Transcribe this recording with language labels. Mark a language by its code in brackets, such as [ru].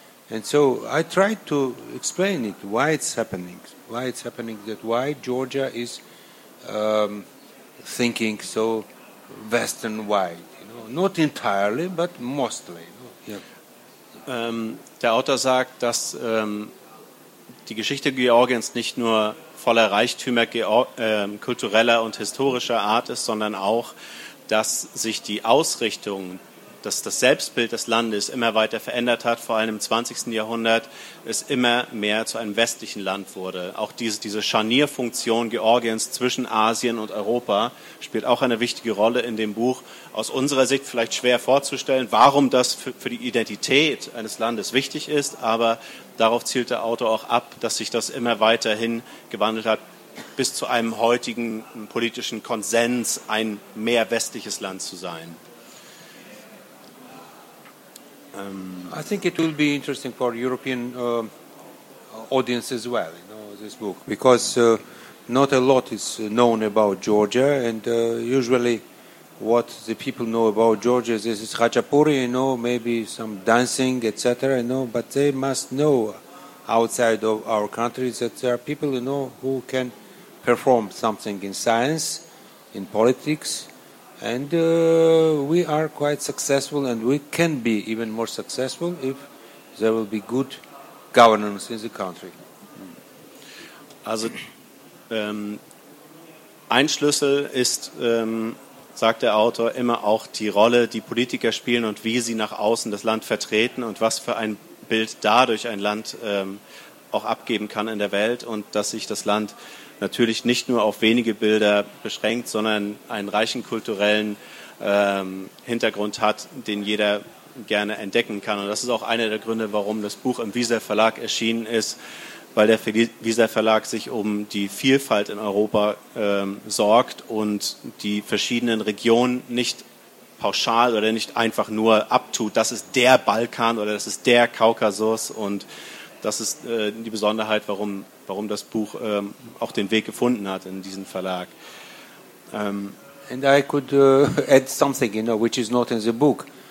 [en] And so I tried to explain it, why it's happening. Why it's happening, that why Georgia is thinking so Western wide, you know, not entirely, but mostly. You know. [de] Der Autor sagt, dass die Geschichte Georgiens nicht nur voller Reichtümer kultureller und historischer Art ist, sondern auch, dass sich die Ausrichtung, dass das Selbstbild des Landes immer weiter verändert hat, vor allem im 20. Jahrhundert, es immer mehr zu einem westlichen Land wurde. Auch diese Scharnierfunktion Georgiens zwischen Asien und Europa spielt auch eine wichtige Rolle in dem Buch. Aus unserer Sicht vielleicht schwer vorzustellen, warum das für die Identität eines Landes wichtig ist, aber darauf zielt der Autor auch ab, dass sich das immer weiterhin gewandelt hat, bis zu einem heutigen politischen Konsens, ein mehr westliches Land zu sein. [en] I think it will be interesting for European audience as well, you know, this book, because not a lot is known about Georgia, and usually what the people know about Georgia is this is Khachapuri, you know, maybe some dancing, etc., you know, but they must know outside of our countries that there are people, you know, who can perform something in science, in politics, and we are quite successful, and we can be even more successful if there will be good governance in the country. [de] Also, ein Schlüssel ist, sagt der Autor, immer auch die Rolle, die Politiker spielen und wie sie nach außen das Land vertreten und was für ein Bild dadurch ein Land auch abgeben kann in der Welt, und dass sich das Land natürlich nicht nur auf wenige Bilder beschränkt, sondern einen reichen kulturellen Hintergrund hat, den jeder gerne entdecken kann. Und das ist auch einer der Gründe, warum das Buch im Wieser Verlag erschienen ist, weil der Wieser Verlag sich um die Vielfalt in Europa sorgt und die verschiedenen Regionen nicht pauschal oder nicht einfach nur abtut. Das ist der Balkan oder das ist der Kaukasus, und das ist die Besonderheit, warum das Buch auch den Weg gefunden hat in diesen Verlag. [en] And I could add something, you know, which is not in the book.